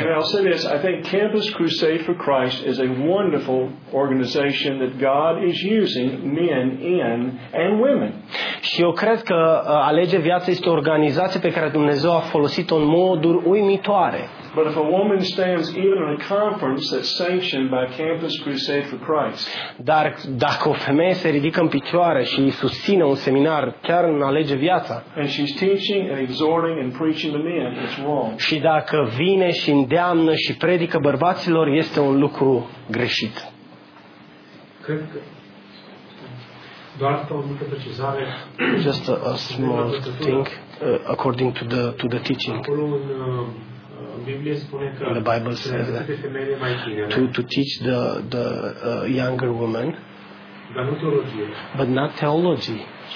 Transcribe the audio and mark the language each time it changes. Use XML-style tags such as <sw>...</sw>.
<en>And I'll say this: I think Campus Crusade for Christ is a wonderful organization that God is using men in and women.</en> <ro>Și eu cred că Alege Viața este o organizație pe care Dumnezeu a folosit-o în moduri uimitoare.</ro> <en>But if a woman stands even in a conference that's sanctioned by Campus Crusade for Christ.</en> <ro>Dar dacă o femeie se ridică în picioare și susține un seminar chiar în Alege Viața.</ro> <en>And she's teaching and exhorting and preaching to men, it's wrong.</en> <ro>Și dacă vine și îndeamnă și predică bărbaților, este un lucru greșit. Cred că</ro> <en>just a small thing according to the teaching. The Bible says that to teach the younger woman, but not theology.</en>